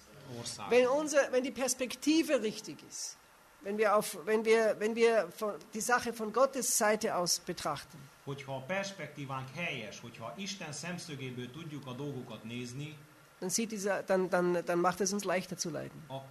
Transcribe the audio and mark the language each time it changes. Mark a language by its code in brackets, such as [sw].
[de] wenn die Perspektive richtig ist, wenn wir die Sache von Gottes Seite aus betrachten, [hu] hogyha a perspektívánk helyes, hogyha Isten szemszögéből tudjuk a dolgokat nézni, [de] dann sieht dieser, dann macht es uns leichter zu leiden.